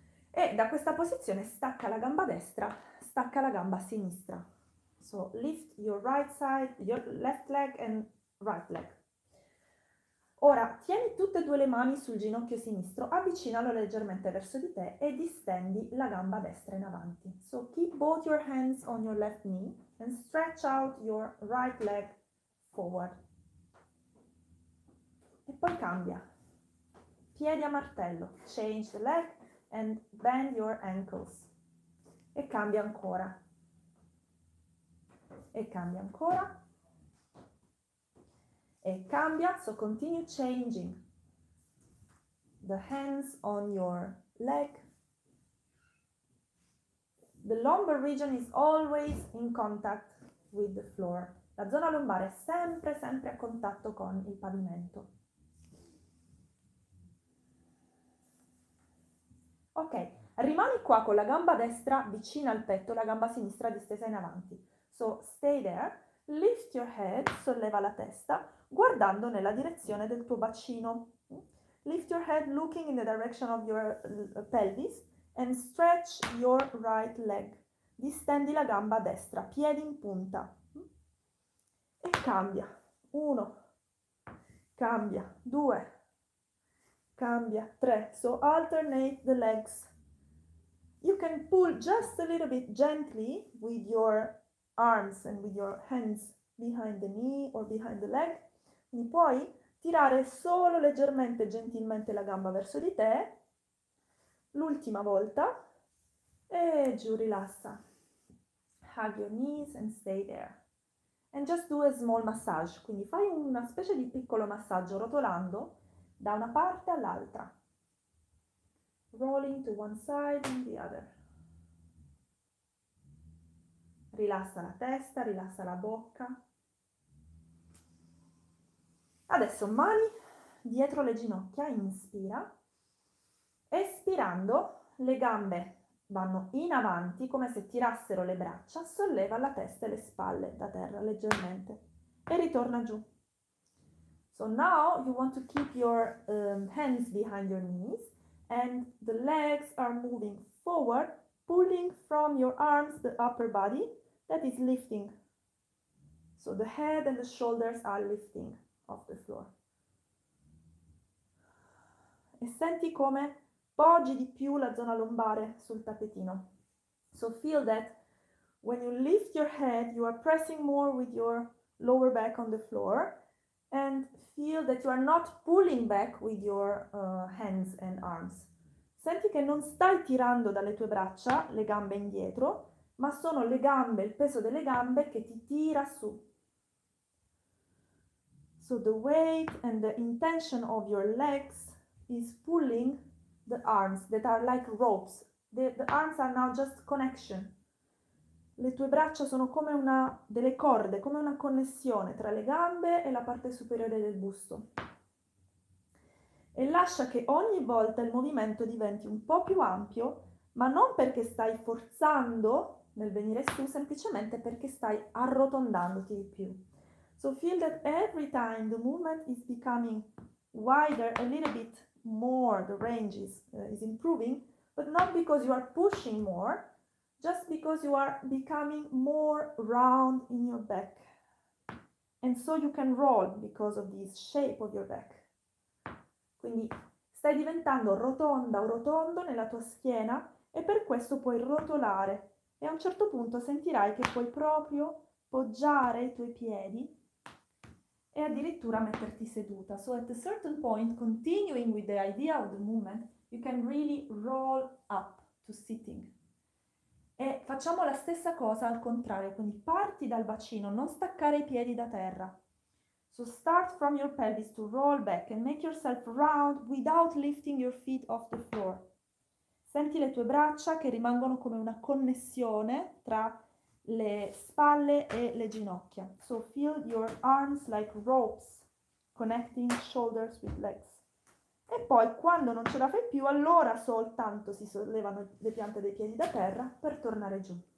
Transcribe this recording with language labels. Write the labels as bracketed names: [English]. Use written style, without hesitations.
[Italian] E da questa posizione stacca la gamba destra, stacca la gamba sinistra. [English] So lift your right side, your left leg and right leg. [Italian] Ora, tieni tutte e due le mani sul ginocchio sinistro, avvicinalo leggermente verso di te e distendi la gamba destra in avanti. [English] So, keep both your hands on your left knee and stretch out your right leg forward. [Italian] E poi cambia. Piedi a martello. [English] Change the leg and bend your ankles. [Italian] E cambia ancora. E cambia ancora. E cambia, [English] so continue changing the hands on your leg. The lumbar region is always in contact with the floor. [Italian] La zona lombare è sempre, sempre a contatto con il pavimento. Ok, rimani qua con la gamba destra vicina al petto, la gamba sinistra distesa in avanti. [English] So stay there. Lift your head, [Italian] solleva la testa, guardando nella direzione del tuo bacino. [English] Lift your head, looking in the direction of your pelvis, and stretch your right leg. [Italian] Distendi la gamba destra, piedi in punta. E cambia. Uno. Cambia. Due. Cambia. Tre. [English] So alternate the legs. You can pull just a little bit gently with your arms and with your hands behind the knee or behind the leg. [Italian] Mi puoi tirare solo leggermente, gentilmente la gamba verso di te. L'ultima volta. E giù, rilassa. [English] Hug your knees and stay there. And just do a small massage. [Italian] Quindi fai una specie di piccolo massaggio rotolando da una parte all'altra. [English] Rolling to one side and the other. [Italian] Rilassa la testa, rilassa la bocca. Adesso mani dietro le ginocchia, inspira. Espirando, le gambe vanno in avanti come se tirassero le braccia, solleva la testa e le spalle da terra leggermente e ritorna giù. [English] So now you want to keep your hands behind your knees and the legs are moving forward, pulling from your arms the upper body that is lifting. So the head and the shoulders are lifting off the floor. [Italian] E senti come poggi di più la zona lombare sul tappetino. [English] So feel that when you lift your head, you are pressing more with your lower back on the floor and feel that you are not pulling back with your hands and arms. [Italian] Senti che non stai tirando dalle tue braccia le gambe indietro, ma sono le gambe, il peso delle gambe che ti tira su. [English] So the weight and the intention of your legs is pulling the arms that are like ropes. The arms are now just connection. [Italian] Le tue braccia sono come una delle corde, come una connessione tra le gambe e la parte superiore del busto. E lascia che ogni volta il movimento diventi un po' più ampio, ma non perché stai forzando nel venire su, semplicemente perché stai arrotondandoti di più. [English] So feel that every time the movement is becoming wider a little bit more, the range is improving, but not because you are pushing more, just because you are becoming more round in your back. And so you can roll because of this shape of your back. [Italian] Quindi stai diventando rotonda o rotondo nella tua schiena e per questo puoi rotolare. E a un certo punto sentirai che puoi proprio poggiare i tuoi piedi e addirittura metterti seduta. [English] So at a certain point, continuing with the idea of the movement, you can really roll up to sitting. [Italian] E facciamo la stessa cosa al contrario, quindi parti dal bacino, non staccare i piedi da terra. [English] So start from your pelvis to roll back and make yourself round without lifting your feet off the floor. [Italian] Senti le tue braccia che rimangono come una connessione tra le spalle e le ginocchia. [English] So feel your arms like ropes connecting shoulders with legs. [Italian] E poi quando non ce la fai più, allora soltanto si sollevano le piante dei piedi da terra per tornare giù.